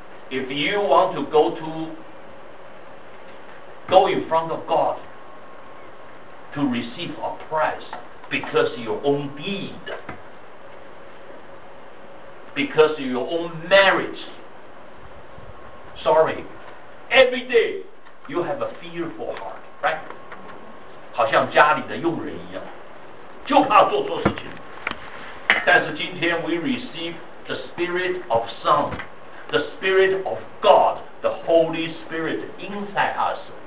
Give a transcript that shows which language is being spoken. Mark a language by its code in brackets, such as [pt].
[en] If you want to go in front of God to receive a prize because of your own deed, because of your own merit, sorry, every day you have a fearful heart, right? [zh] 好像家里的佣人一样，就怕做错事情。但是今天 [en] we receive the spirit of son, the spirit of God, the Holy Spirit inside us.